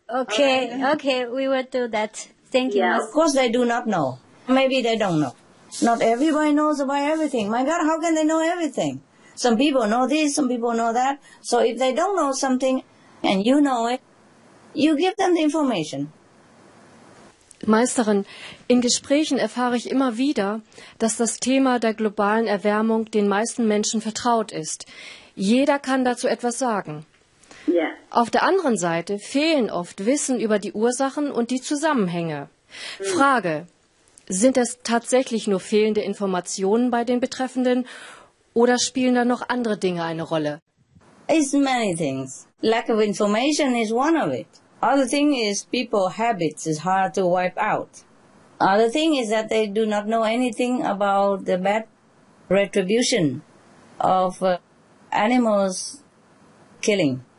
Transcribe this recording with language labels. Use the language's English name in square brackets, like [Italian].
[English] Okay, right. Okay, we will do that. Thank you. Yeah, of course they do not know. Maybe they don't know. Not everybody knows about everything. My God, how can they know everything? Some people know this, some people know that. So if they don't know something and you know it, you give them the information. [German] Meisterin, in Gesprächen erfahre ich immer wieder, dass das Thema der globalen Erwärmung den meisten Menschen vertraut ist. Jeder kann dazu etwas sagen. [English] Yeah. [German] Auf der anderen Seite fehlen oft Wissen über die Ursachen und die Zusammenhänge. Frage, sind es tatsächlich nur fehlende Informationen bei den Betreffenden oder spielen da noch andere Dinge eine Rolle? [English] It's many things. Lack of information is one of it. Other thing is people habits is hard to wipe out. Other thing is that they do not know anything about the bad retribution of animals killing.